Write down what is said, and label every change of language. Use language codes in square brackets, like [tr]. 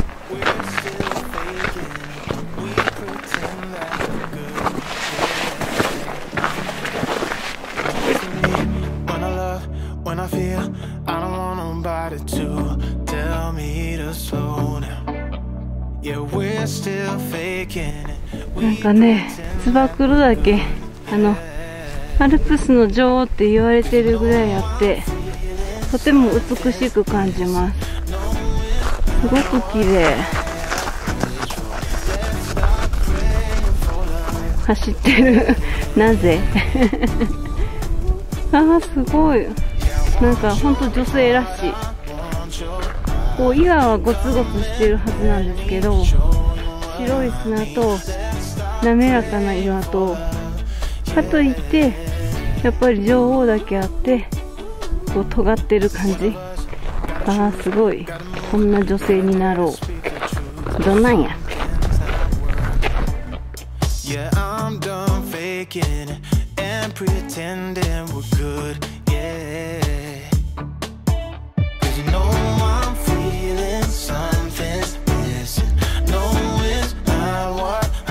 [en] We're still faking, we pretend that we're good. Yeah. To me, when I love, when I feel, I don't want nobody to tell me to slow down. Yeah, we're still faking it. [ja] なんかね、燕岳、あの、アルプスの女王って言われてるぐらいあって、とても美しく感じます。すごく綺麗。走ってるなぜあーすごい、なんか本当女性らしい。こう岩はゴツゴツしてるはずなんですけど、白い砂と滑らかな岩と、かといってやっぱり女王だけあってこう尖ってる感じ。ああすごい、こんな女性になろう。どんなんや。 [en] Yeah, I'm done faking and pretending we're good. Yeah. Cause you know I'm feeling something's missing. No, it's not what